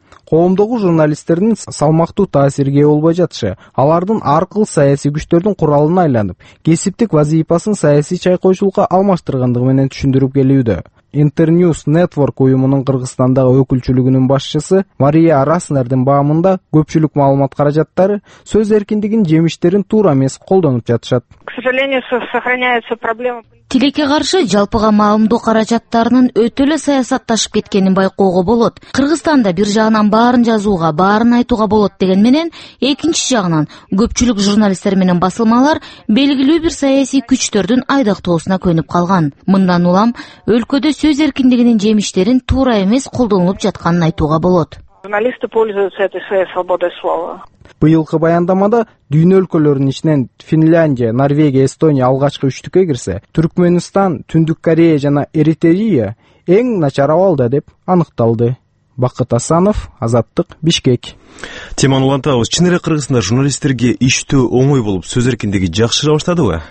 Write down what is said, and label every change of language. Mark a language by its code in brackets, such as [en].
[ky] Коомдогу журналисттердин салмактуу таасирге ээ болбой жатышы алардын ар кыл саясий күчтөрдүн куралына айланып кесиптик вазыйпасын саясий чайкоочулукка алмаштыргандыгы менен түшүндүрүп келүүдө. Интерньюс Нетворк уюмунун Кыргызстандагы өкүлчүлүгүнүн башчысы Мария Араснердин баамында көпчүлүк маалымат каражаттары сөз эркиндигинин жемиштерин туура эмес колдонуп жатышат. [ru] К сожалению, сохраняются проблемы. [ky] Тилекке каршы жалпыга маалымдоо каражаттарынын өтө эле саясатташып кеткенин байкоого болот. Кыргызстанда бир жагынан баарын жазууга, баарын айтууга болот деген менен, экинчи жагынан көпчүлүк журналисттер менен басылмалар белгилүү бир саясий күчтөрдүн айдактоосуна көнүп калган. Мындан улам өлкөдө сөз эркиндигинин жемиштерин туура эмес колдонулуп жатканын айтууга болот. [ru] Журналисты пользуются этой своей свободой слова. [ky] Быйылкы баяндамада дүйнө өлкөлөрүнүн ичинен Финляндия, Норвегия, Эстония алгачкы үчтүккө кирсе, Түркмөнстан, Түндүк Корея жана Эритрея эң начар абалда деп аныкталды. Бакыт Асанов, Азаттык, Бишкек. Тиман Улантабыз, чын эле Кыргызстанда журналисттерге иштөө оңой болуп, сөз эркиндиги жакшы баштадыбы?